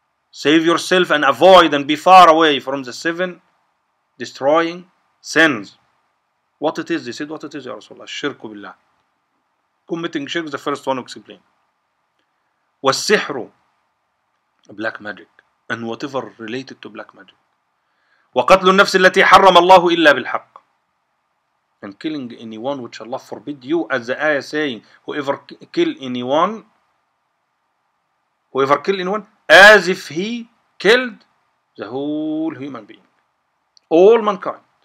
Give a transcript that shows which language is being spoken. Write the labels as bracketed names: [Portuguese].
[English] Save yourself and avoid and be far away from the seven destroying sins. What it is? They said, what it is, Ya Rasulullah? [Arabic] Shirku billah. [English] Committing shirk is the first one to explain. [Arabic] Wasihru, [English] black magic, and whatever related to black magic. [Arabic] وقتل النفس التي حرم الله إلا بالحق. [English] And killing anyone which Allah forbid you, as the ayah saying, whoever kill anyone, as if he killed the whole human being. All mankind.